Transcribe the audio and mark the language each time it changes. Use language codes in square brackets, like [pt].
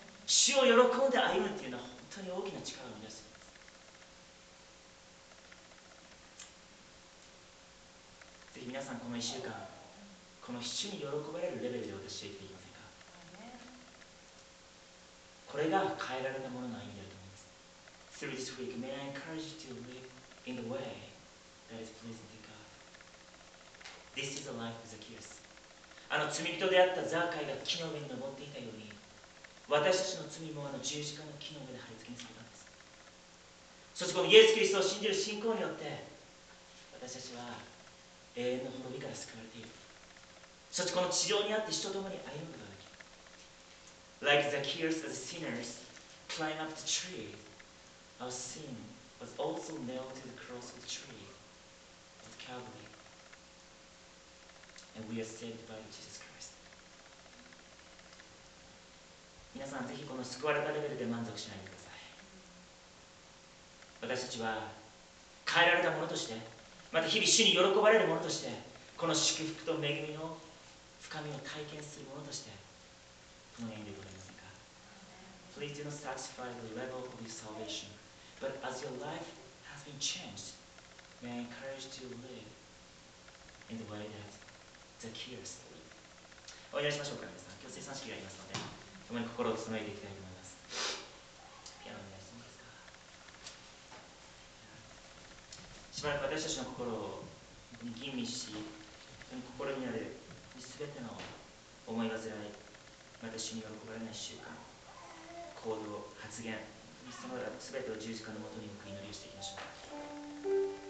[ja] 主を喜んで歩むっていうのは本当に大きな力を生み出してます。ぜひ皆さんこの1週間、この主に喜ばれるレベルで私していきませんか。これが変えられたものの意味だと思います。 [en] Through this week, may I encourage you to live in the way that is pleasing to God. This is the life of Zacchaeus. [ja] あの罪人であったザーカイが木の上に登っていたように、私たちの罪もあの十字架の木の上で貼り付けにされたんです。そしてこのイエス・キリストを信じる信仰によって、私たちは永遠の滅びから救われている。そしてこの地上にあって人ともに歩むことができる。 [en] Like Zacchaeus as sinners climb up the tree, our sin was also nailed to the cross of the tree at Calvary. And we are saved by Jesus Christ. [ja] 皆さんぜひこの救われたレベルで満足しないでください。私たちは変えられたものとして、また日々主に喜ばれるものとして、この祝福と恵みの深みを体験するものとして、この縁でございませんか。 [en] Please do not satisfy the level of your salvation, but as your life has been changed, may I encourage you to live in the way that Zacchaeus lived. [ja] お祈りしましょうか、皆さん。今日聖餐式がありますので、共に心を整えていきたいと思います。ピアノの皆さんですか。しばらく私たちの心を吟味し、心にある全ての思い煩い、また主に喜ばれない習慣、行動、発言、その全てを十字架のもとに向く祈りをしていきましょう。